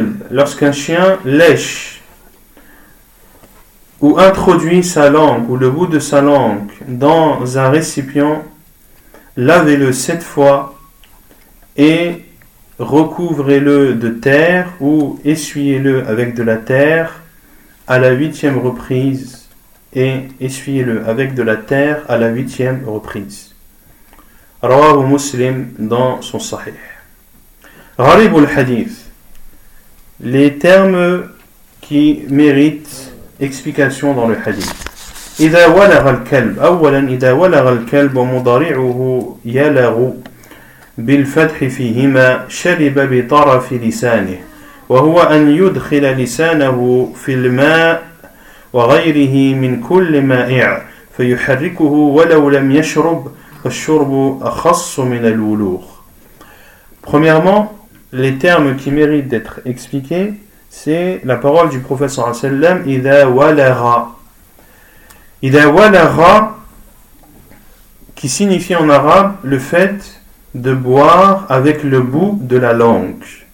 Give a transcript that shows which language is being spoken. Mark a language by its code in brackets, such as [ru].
[fr] lorsqu'un chien lèche ou introduit sa langue ou le bout de sa langue dans un récipient, lavez-le sept fois et recouvrez-le de terre ou essuyez-le avec de la terre à la huitième reprise et essuyez-le avec de la terre à la huitième reprise. [ar] Rawah [fr] Muslim dans son Sahih. [ar] Gharib al-Hadith. [fr] Les termes qui méritent explication dans le Hadith. [ar] إذا ولغ الكلب أولا إذا ولغ الكلب ومضارعه يلغ بالفتح فيهما شرب بطرف لسانه وهو أن يدخل لسانه في الماء وغيره من كل مائع فيحركه ولو لم يشرب فالشرب أخص من الولوغ. [fr] Premièrement, les termes qui méritent d'être expliqués, c'est la parole du prophète sallallahu alayhi wa sallam, [ar] إذا ولغ. [fr] Ida walara, qui signifie en arabe le fait de boire avec le bout de la langue.